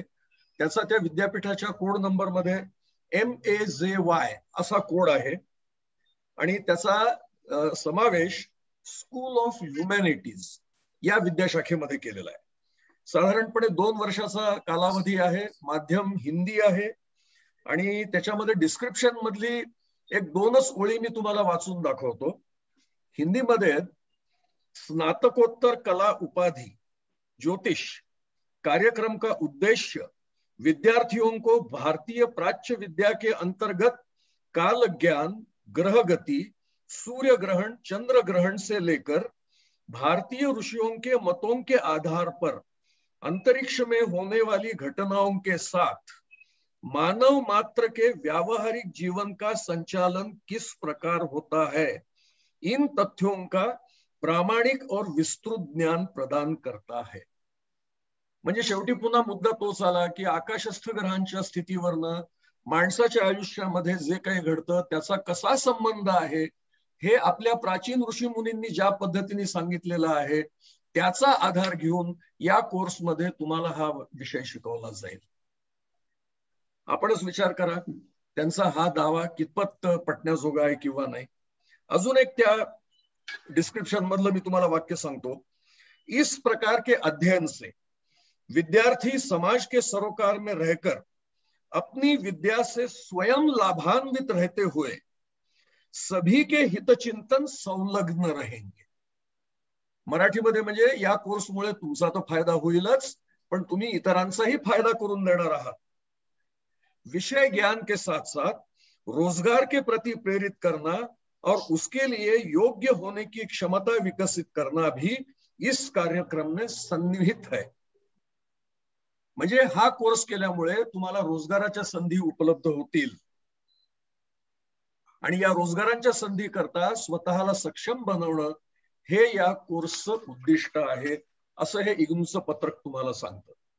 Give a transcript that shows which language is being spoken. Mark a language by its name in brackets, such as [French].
[Marathi] त्याचा त्या विद्यापीठाच्या कोड नंबर मध्ये MAJY असा कोड आहे आणि त्याचा समावेश स्कूल ऑफ ह्युमॅनिटीज या विद्याशाखेमध्ये केलेला आहे. साधारणपणे 2 वर्षाचा कालावधी आहे, माध्यम हिंदी आहे आणि त्याच्यामध्ये डिस्क्रिप्शन मधली एक 2 ओळी मी तुम्हाला वाचून दाखवतो. [Hindi] हिंदीमध्ये स्नातकोत्तर कला उपाधि ज्योतिष कार्यक्रम का उद्देश्य विद्यार्थियों को भारतीय प्राच्य विद्या के अंतर्गत काल ज्ञान, ग्रह गति, सूर्य ग्रहण, चंद्र ग्रहण से लेकर भारतीय ऋषियों के मतों के आधार पर अंतरिक्ष में होने वाली घटनाओं के साथ मानव मात्र के व्यावहारिक जीवन का संचालन किस प्रकार होता है, इन तथ्यों का प्रामाणिक और विस्तृत ज्ञान प्रदान करता है. [Marathi] म्हणजे शेवटी पुन्हा मुद्दा तोच आला की आकाशस्थ ग्रहांच्या स्थितीवरनं माणसाच्या आयुष्यामध्ये जे काही घडतं त्याचा कसा संबंध आहे हे आपल्या प्राचीन ऋषी मुनींनी ज्या पद्धतीने सांगितलेलं आहे त्याचा आधार घेऊन या कोर्समध्ये तुम्हाला हा विषय शिकवला जाईल. आपणच विचार करा त्यांचा हा दावा कितपत पटण्याजोगा आहे किंवा नाही. अजून एक त्या डिस्क्रिप्शन मधलं मी तुम्हाला वाक्य सांगतो. [Hindi] इस प्रकार के अध्ययन से विद्यार्थी समाज के सरोकार में रहकर अपनी विद्या से स्वयं लाभान्वित रहते हुए सभी के हितचिंतन संलग्न रहेंगे. [Marathi] मराठीमध्ये म्हणजे या कोर्समुळे तुमचा तो फायदा होईलच पण तुम्ही इतरांचाही फायदा करून देणार आहात. [Hindi] विषय ज्ञान के साथ साथ रोजगार के प्रति प्रेरित करना और उसके लिए योग्य होने की क्षमता विकसित करना भी इस कार्यक्रम में सन्निहित है. [Marathi] म्हणजे हा कोर्स केल्यामुळे तुम्हाला रोजगाराच्या संधी उपलब्ध होतील आणि या रोजगारांच्या संधी करता स्वतःला सक्षम बनवणं हे या कोर्सचं उद्दिष्ट आहे असं हे इग्नूचं पत्रक तुम्हाला सांगतं.